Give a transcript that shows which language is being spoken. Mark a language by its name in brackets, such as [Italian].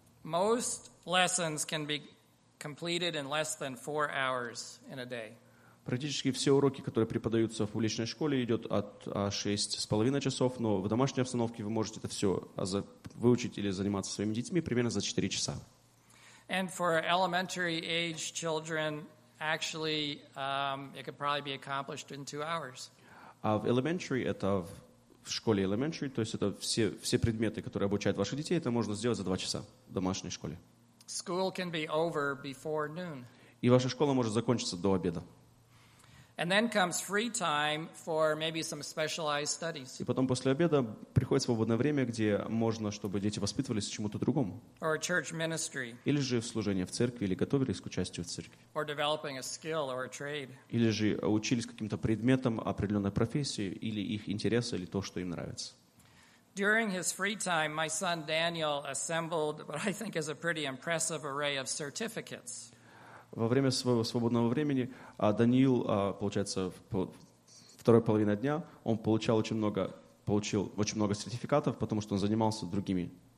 [English] Most lessons can be completed in less than 4 hours in a day. [Russian] Практически все уроки, которые преподаются в публичной школе, идет от 6,5 часов, но в домашней обстановке вы можете это все выучить или заниматься своими детьми примерно за 4 часа. [English] And for elementary age children, actually, it could probably be accomplished in 2 hours. [Russian] А в elementary, это в школе elementary, то есть это все предметы, которые обучают ваших детей, это можно сделать за 2 часа в домашней школе. [English] School can be over before noon. [Russian] И ваша школа может закончиться до обеда. [English] And then comes free time for maybe some specialized studies. [Russian] И потом после обеда приходит свободное время, где можно, чтобы дети воспитывались чему-то другому. [English] Or church ministry. [Russian] Или же в служение в церкви, или готовились к участию в церкви. [English] Or developing a skill or a trade. [Russian] Или же учились каким-то предметам определенной профессии, или их интересы, или то, что им нравится. [English] During his free time, my son Daniel assembled what I think is a pretty impressive array of certificates. [Russian] Во время своего свободного времени Даниил, получается, второй половины дня, он получил очень много сертификатов, потому что он занимался другими